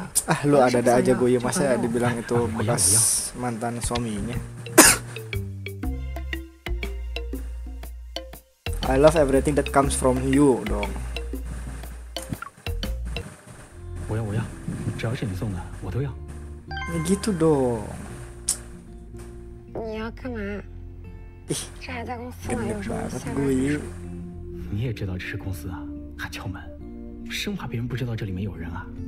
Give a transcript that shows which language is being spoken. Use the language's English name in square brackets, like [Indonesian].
[Indonesian] Ah, lu ada-ada aja gue, ya. Masa dibilang itu bekas mantan suaminya? [English] I love everything that comes from you, dong. [Chinese] 我要，只要是你送的，我都要。你 [Indonesian] gitu dong. [Chinese] 你要干嘛？这还在公司吗？有什么下班的事？你也知道这是公司啊，还敲门，生怕别人不知道这里面有人啊。